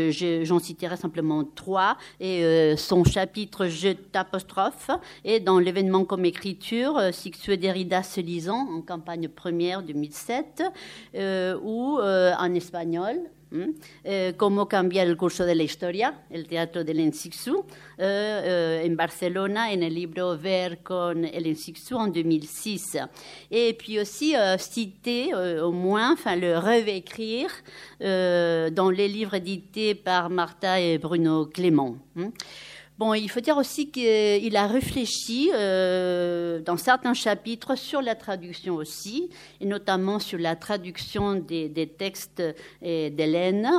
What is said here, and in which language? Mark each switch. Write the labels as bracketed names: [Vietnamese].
[French] J'en citerai simplement trois. Et son chapitre « Je t'apostrophe » et dans l'événement comme écriture, « Cixous et Derrida se lisant » en campagne première 2007, ou en espagnol. [Spanish] Cómo cambiar el curso de la historia, el teatro de Hélène Cixous, en Barcelona, en el libro Ver con Hélène Cixous en 2006. [French] Et puis aussi citer au moins, enfin le réécrire dans les livres édités par Martha et Bruno Clément. Bon, il faut dire aussi qu'il a réfléchi dans certains chapitres sur la traduction aussi, et notamment sur la traduction des textes d'Hélène.